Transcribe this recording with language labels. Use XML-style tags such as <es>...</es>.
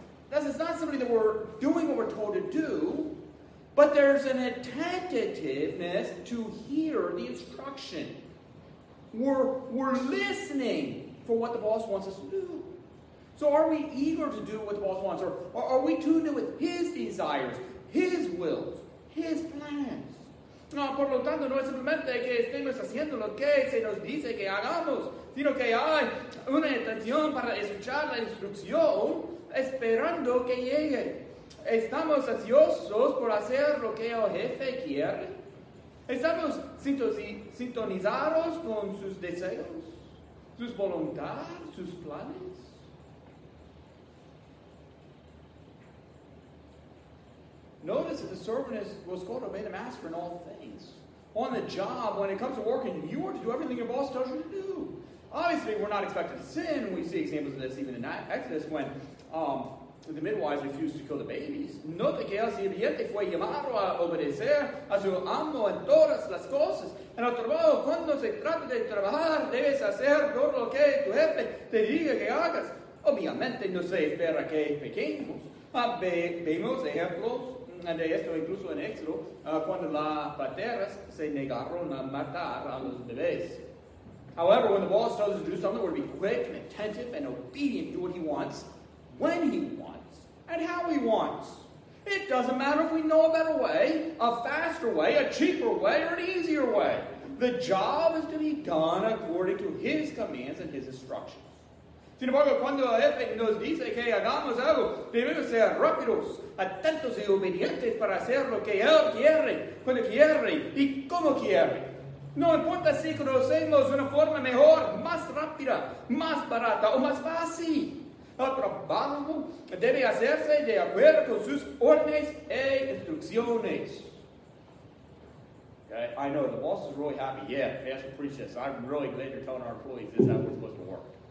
<en>This is not simply that we're doing what we're told to do, but there's an attentiveness to hear the instruction. We're listening for what the boss wants us to do. So are we eager to do what the boss wants, or are we tuned in with his desires, his wills, his plans?</en> <es>No, por lo tanto, no es simplemente que estemos haciendo lo que se nos dice que hagamos, sino que hay una intención para escuchar la instrucción esperando que llegue. ¿Estamos ansiosos por hacer lo que el jefe quiere? ¿Estamos sintonizados con sus deseos, sus voluntades, sus planes?</es> <en>Notice that the servant was called to obey the master in all things. On the job, when it comes to working, you are to do everything your boss tells you to do. Obviously, we're not expected to sin. We see examples of this even in Exodus when the midwives refused to kill the babies.</en> <es>Note que el sirviente fue llamado a obedecer a su amo en todas las cosas. En el trabajo, cuando se trata de trabajar, debes hacer todo lo que tu jefe te diga que hagas. Obviamente, no se espera que pequemos. Vemos ejemplos. De esto incluso en Éxodo, cuando las parteras se negaron a matar a los bebés.</es> <en>However, when the boss tells us to do something, we're to be quick and attentive and obedient to what he wants, when he wants, and how he wants. It doesn't matter if we know a better way, a faster way, a cheaper way, or an easier way. The job is to be done according to his commands and his instructions.</en> <es>Sin embargo, cuando el jefe nos dice que hagamos algo, debemos ser rápidos, atentos y obedientes para hacer lo que él quiere, cuando quiere y como quiere. No importa si conocemos una forma mejor, más rápida, más barata o más fácil. El trabajo debe hacerse de acuerdo con sus órdenes e instrucciones.</es> <en>I know, the boss is really happy. Yeah, Pastor preached this. I'm really glad you're telling our employees this is how we're supposed to work.</en>